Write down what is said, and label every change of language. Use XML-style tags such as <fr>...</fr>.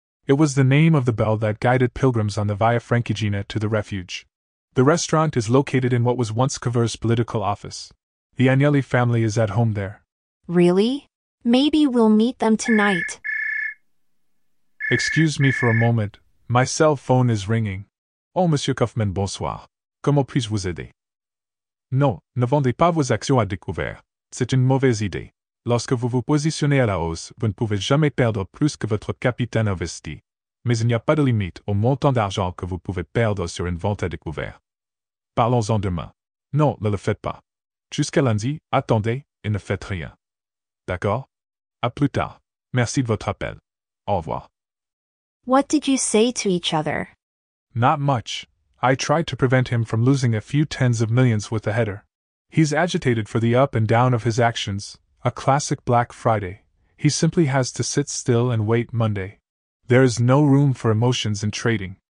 <en>It was the name of the bell that guided pilgrims on the Via Francigena to the refuge. The restaurant is located in what was once Cavour's political office. The Agnelli family is at home there. Really? Maybe we'll meet them tonight. Excuse me for a moment. My cell phone is ringing.</en> <fr>Oh, Monsieur Kaufman, bonsoir. Comment puis-je vous aider? Non, ne vendez pas vos actions à découvert. C'est une mauvaise idée. Lorsque vous vous positionnez à la hausse, vous ne pouvez jamais perdre plus que votre capital investi. Mais il n'y a pas de limite au montant d'argent que vous pouvez perdre sur une vente à découvert. Parlons-en demain. Non, ne le faites pas. Jusqu'à lundi, attendez et ne faites rien. D'accord? À plus tard. Merci de votre appel. Au revoir.</fr> <en>What did you say to each other? Not much. I tried to prevent him from losing a few tens of millions with a header. He's agitated for the up and down of his actions, a classic Black Friday. He simply has to sit still and wait Monday. There is no room for emotions in trading.</en>